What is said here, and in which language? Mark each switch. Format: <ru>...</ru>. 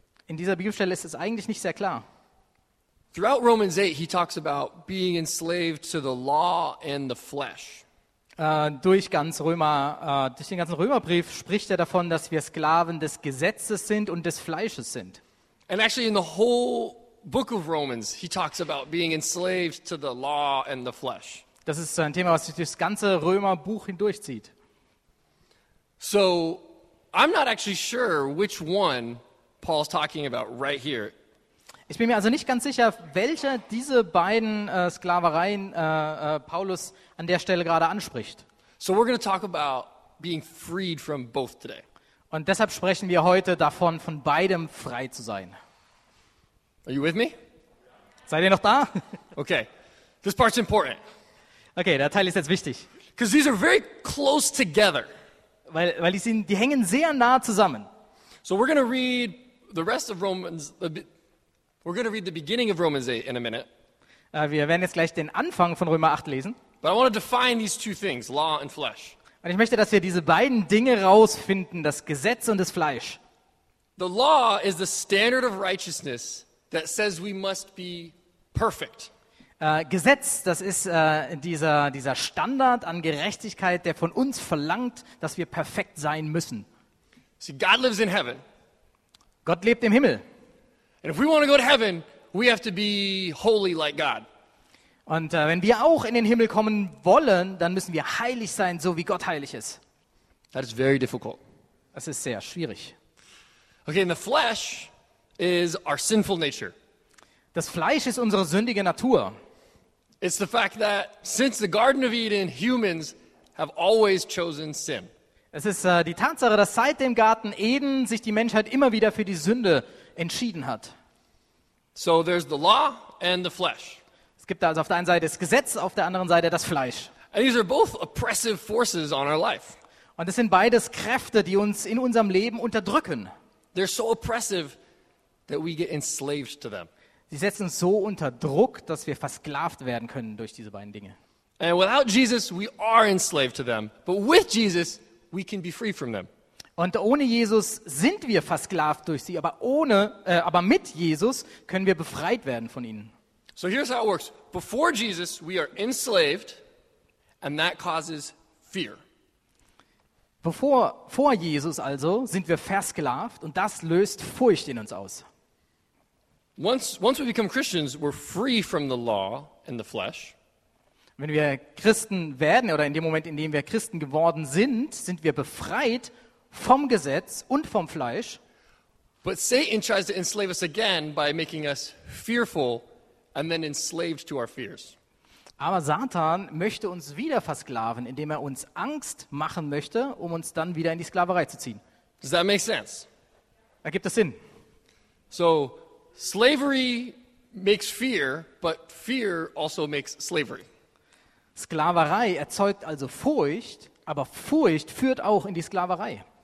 <de>In dieser Bibelstelle ist es eigentlich nicht sehr klar.</de> <en>Throughout Romans 8, he talks about being enslaved to the law and the flesh.</en> <de>Durch den ganzen Römerbrief spricht er davon, dass wir Sklaven des Gesetzes sind und des Fleisches sind.</de> <en>And actually in the whole book of Romans, he talks about being enslaved to the law and the flesh.</en> <de>Das ist ein Thema, was sich durch das ganze Römerbuch hindurchzieht.</de> <en>So, I'm not actually sure which one Paul's talking about right here.</en> <de>Ich bin mir also nicht ganz sicher, welcher diese beiden Sklavereien Paulus an der Stelle gerade anspricht.</de> <en>So we're going to talk about being freed from both today.</en> <de>Und deshalb sprechen wir heute davon, von beidem frei zu sein.</de> <en>Are you with me?</en> <de>Seid ihr noch da?</de> <en>Okay. This part's important.</en> <de>Okay, der Teil ist jetzt wichtig.</de> <en>Because these are very close together.</en> <de>Weil die hängen sehr nah zusammen.</de> <en>So we're going to read the rest of Romans, We're going to read the beginning of Romans 8 in a minute.</en> <de>Wir werden jetzt gleich den Anfang von Römer 8 lesen.</de> <en>But I want to define these two things, law and flesh.</en> <de>Und ich möchte, dass wir diese beiden Dinge rausfinden, das Gesetz und das Fleisch.</de> <en>The law is the standard of righteousness that says we must be perfect.</en> <de>Gesetz, das ist dieser Standard an Gerechtigkeit, der von uns verlangt, dass wir perfekt sein müssen.</de> <en>See, God lives in heaven.</en> <de>Gott lebt im Himmel.</de> <en>And if we want to go to heaven, we have to be holy like God.</en> <de>Und wenn wir auch in den Himmel kommen wollen, dann müssen wir heilig sein, so wie Gott heilig ist.</de> <en>That is very difficult.</en> <de>Das ist sehr schwierig.</de> <en>Okay, and the flesh is our sinful nature.</en> <de>Das Fleisch ist unsere sündige Natur.</de> <en>It's the fact that since the Garden of Eden, humans have always chosen sin.</en> <de>Es ist die Tatsache, dass seit dem Garten Eden sich die Menschheit immer wieder für die Sünde entschieden hat.</de> <en>So there's the law and the flesh.</en> <de>Es gibt also auf der einen Seite das Gesetz, auf der anderen Seite das Fleisch.</de> <en>And these are both oppressive forces on our life.</en> <de>Und es sind beides Kräfte, die uns in unserem Leben unterdrücken.</de> <en>They're so oppressive that we get enslaved to them.</en> <de>Sie setzen uns so unter Druck, dass wir versklavt werden können durch diese beiden Dinge.</de> <en>And without Jesus, we are enslaved to them. But with Jesus, we can be free from them.</en> <de>Und ohne Jesus sind wir versklavt durch sie, aber mit Jesus können wir befreit werden von ihnen.</de> <en>So here's how it works. Before Jesus, we are enslaved, and that causes fear.</en> <de>Vor Jesus also sind wir versklavt, und das löst Furcht in uns aus.</de> <en>Once we become Christians, we're free from the law and the flesh.</en> <de>Wenn wir Christen werden, oder in dem Moment, in dem wir Christen geworden sind, sind wir befreit vom Gesetz und vom Fleisch.</de> <en>But Satan tries to enslave us again by making us fearful and then enslaved to our fears.</en> <de>Aber Satan möchte uns wieder versklaven, indem er uns Angst machen möchte, um uns dann wieder in die Sklaverei zu ziehen.</de> <en>Does that make sense?</en> <de>Ergibt das Sinn?</de> <en>So, slavery makes fear, but fear also makes slavery.</en> <de>Sklaverei erzeugt also Furcht, aber Furcht führt auch in die Sklaverei.</de>